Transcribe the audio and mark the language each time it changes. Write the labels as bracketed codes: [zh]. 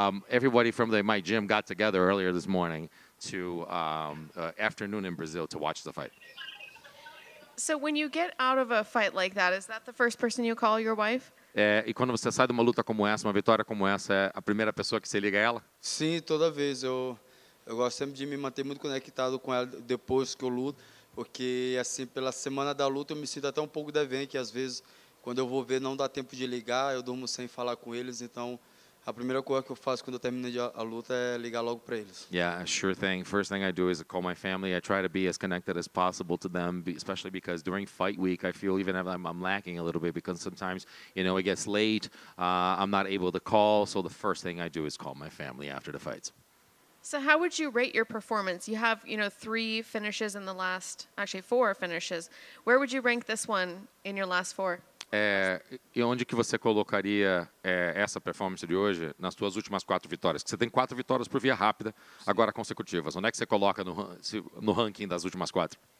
[en] Everybody from my gym got together earlier this morning to afternoon in Brazil to watch the fight. So when you get out of a fight like that, is that the first person you call your wife? [pt] E quando você sai de uma luta como essa, uma vitória como essa, é a primeira pessoa que você liga ela? Sim, toda vez. Eu gosto sempre de me manter muito conectado com ela depois que eu luto, porque assim, pela semana da luta, eu me sinto até um pouco devendo, que às vezes, quando eu vou ver, não dá tempo de ligar, eu durmo sem falar com eles, então... A primeira coisa que eu faço quando eu termino a luta é ligar logo para eles. [en] Yeah, sure thing. First thing I do is call my family. I try to be as connected as possible to them, especially because during fight week, I feel even if I'm lacking a little bit because sometimes, you know, it gets late. I'm not able to call. So the first thing I do is call my family after the fights. So how would you rate your performance? You have, you know, 3 finishes in the last, actually 4 finishes. Where would you rank this one in your last 4? [pt] E onde que você colocaria essa performance de hoje nas suas últimas 4 vitórias? Você tem 4 vitórias por via rápida, sim, agora consecutivas. Onde é que você coloca no ranking das últimas 4?